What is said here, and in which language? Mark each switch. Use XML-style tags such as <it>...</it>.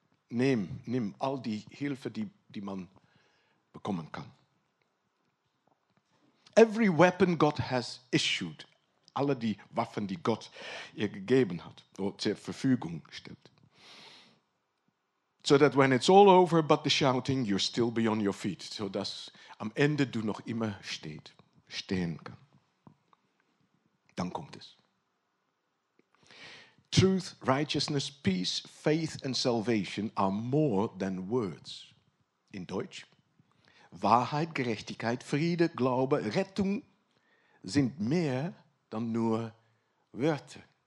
<de>nimm all die Hilfe, die man bekommen kann.</de> <en>Every weapon God has issued,</en> <de>alle die Waffen, die Gott ihr gegeben hat, zur Verfügung stellt.</de> <en>So that when it's all over but the shouting, you're still be on your feet.</en> <de>So dass am Ende du noch immer stehen kannst. Dann kommt es.</de> <en>Truth, righteousness, peace, faith and salvation are more than words.</en> <de>In Deutsch. Wahrheit, Gerechtigkeit, Friede, Glaube, Rettung sind mehr dann nur Wörter.</de>